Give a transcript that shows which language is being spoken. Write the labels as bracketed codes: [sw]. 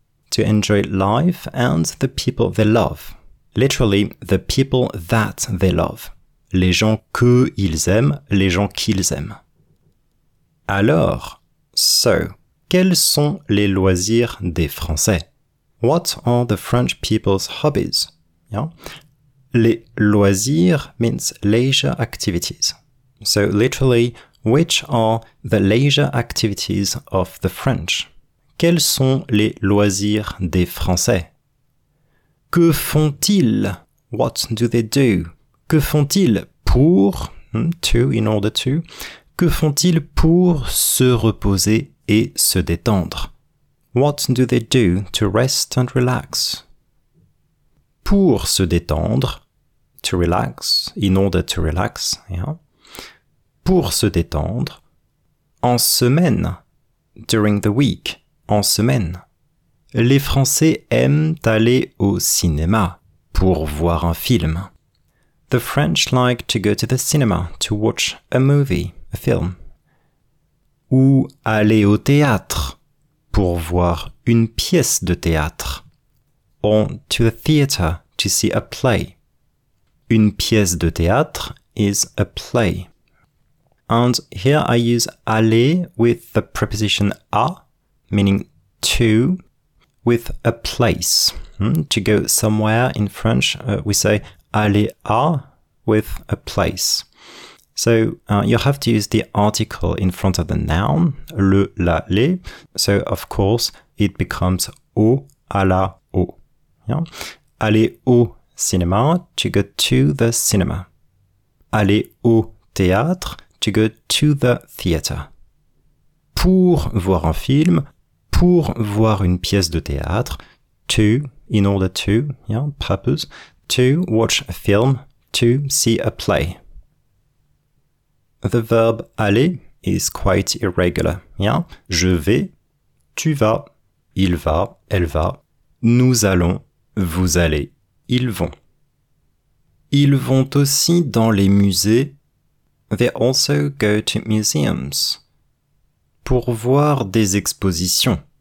[en] To enjoy life and the people they love. Literally, the people that they love. [fr] Les gens qu'ils aiment, les gens qu'ils aiment. Alors, so, quels sont les loisirs des Français? [en] What are the French people's hobbies? Yeah. Les loisirs means leisure activities. So, literally, which are the leisure activities of the French? [fr] Quels sont les loisirs des Français? Que font-ils? [en] What do they do? [fr] Que font-ils pour, [en] to, in order to, [fr] que font-ils pour se reposer et se détendre? [en] What do they do to rest and relax? [fr] Pour se détendre, [en] to relax, in order to relax, yeah. [fr] Pour se détendre, en semaine, [en] during the week, [fr] en semaine. Les Français aiment aller au cinéma pour voir un film. [en] The French like to go to the cinema to watch a movie, a film. [fr] Ou aller au théâtre pour voir une pièce de théâtre. [en] Or to the theater to see a play. [fr] Une pièce de théâtre [en] is a play. And here I use aller with the preposition à, meaning to, with a place. To go somewhere in French, we say aller à, with a place. So you have to use the article in front of the noun, le, la, les. So of course, it becomes au, à la, au. Yeah? [fr] Aller au cinéma, [en] to go to the cinema. [fr] Aller au théâtre, [en] to go to the theater. [fr] Pour voir un film, pour voir une pièce de théâtre, [en] to, in order to, yeah, purpose, to watch a film, to see a play. The verb aller is quite irregular, yeah? [fr] Je vais, tu vas, il va, elle va, nous allons, vous allez, ils vont. Ils vont aussi dans les musées. [en] They also go to museums. [fr] Pour voir des expositions.